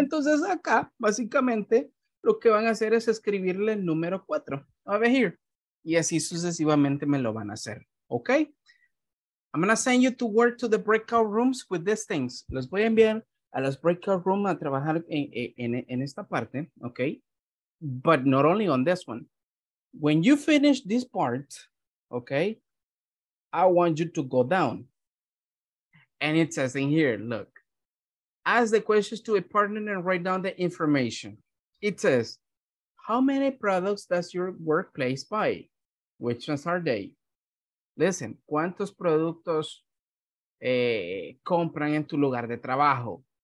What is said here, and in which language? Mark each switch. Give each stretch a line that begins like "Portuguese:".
Spanish: Entonces acá, básicamente, lo que van a hacer es escribirle el número cuatro.
English: Over here.
Spanish: Y así sucesivamente me lo van a hacer.
English: Okay? I'm going to send you to work to the breakout rooms with these things.
Spanish: Los voy a enviar a los breakout rooms a trabajar en esta parte.
English: Okay? But not only on this one. When you finish this part, okay, I want you to go down. And it says in here, look, ask the questions to a partner and write down the information. It says, how many products does your workplace buy? Which ones are they?
Spanish: Listen, ¿cuántos productos compran en tu lugar de trabajo?